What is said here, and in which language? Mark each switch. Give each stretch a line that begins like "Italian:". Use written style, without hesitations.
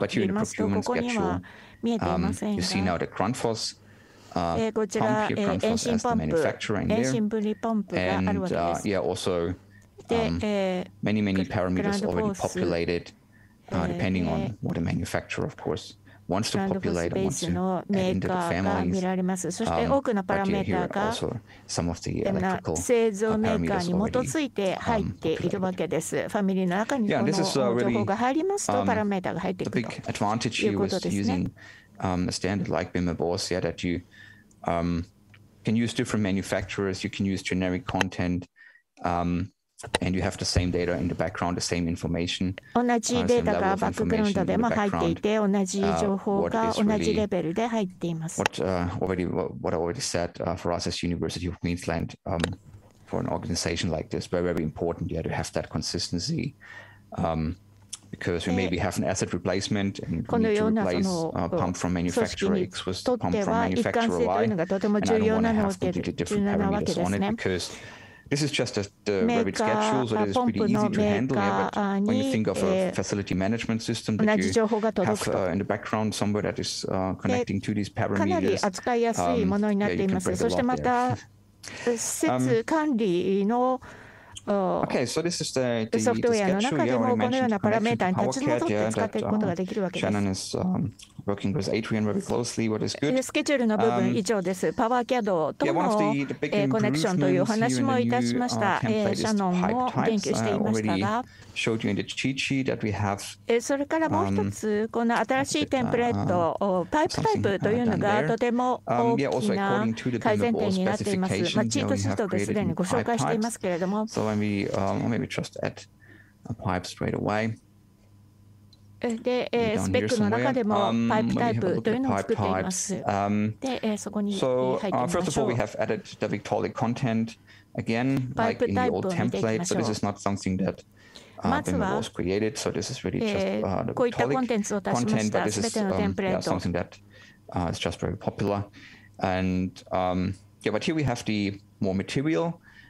English: But here in the procurement schedule, you see now the Grundfos pump here, Grundfos as the manufacturer in there. And yeah, also many, many parameters already populated, depending on what the manufacturer, of course. Wants to populate, wants to add into the families.
Japanese: そして多くのパラメーターが製造メーカーに基づいて入っているわけです。ファミリーの中にこの情報が入りますとパラメーターが入っていくということですね。
English: A standard like BIM-MEP AUS, yeah, that you can use different manufacturers, you can use generic content, and you have the same data in the background, the same information.
Japanese: 同じデータがバックグラウンドでも入っていて、同じ情報が同じレベルで入っています。
English: What I already said for us as University of Queensland, for an organization like this, very, very important yeah, to have that consistency. Because we maybe have an asset replacement and we need to replace a pump from manufacturer X with the pump from manufacturer Y. And I don't want to have completely different parameters on it because this is just the Revit schedule, so it is pretty easy to handle. Yeah, but when you think of a facility management system that you have in the background somewhere that is connecting to these parameters, yeah, you can break a lot there. Okay, so this is the schedule. Yeah, I already mentioned connection to PowerCAD. Yeah, that Shannon is working with Adrian very closely. What is good?
Japanese: Schedule の部分以上です。PowerCAD とのコネクションという話もいたしました。シャノンも言及していましたが、
English: showed you in the cheat sheet that we have.
Japanese: それからもう一つこの新しいテンプレート、パイプタイプというのがとても大きな改善点になっています。まあ、チートシートですでにご紹介していますけれども。
English: Maybe just add a pipe straight away.
Japanese: で、スペックの中でもパイプタイプというのを作っています。で、そこに入ってみましょう。
English: So, first of all, we have added the Victaulic content again, like in the old template. So this is not something that was created. So this is really just the Victaulic content, but this is something that is just very popular. And yeah, but here we have the more material.